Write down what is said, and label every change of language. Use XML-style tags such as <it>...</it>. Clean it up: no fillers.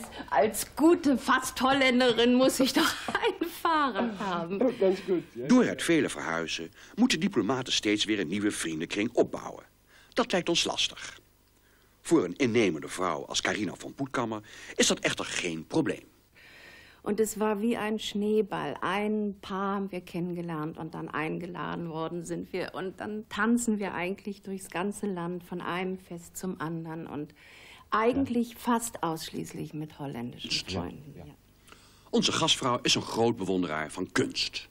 <de>Als gute Fast-Holländerin muss ich doch ein Fahrrad haben. Ganz gut. Ja.</de> <nl>Door het vele verhuizen moeten diplomaten steeds weer een nieuwe vriendenkring opbouwen. Dat lijkt ons lastig. Voor een innemende vrouw als Carina von Puttkammer is dat echter geen probleem.</nl> <de>Und es war wie ein Schneeball. Ein Paar haben wir kennengelernt und dann eingeladen worden sind wir. Und dann tanzen wir eigentlich durchs ganze Land von einem Fest zum anderen. Und eigentlich, ja, fast ausschließlich mit holländischen Freunden. Ja. Ja. Unsere Gastfrau ist ein</de> <nl>groot bewunderer</nl> <de>von Kunst.</de>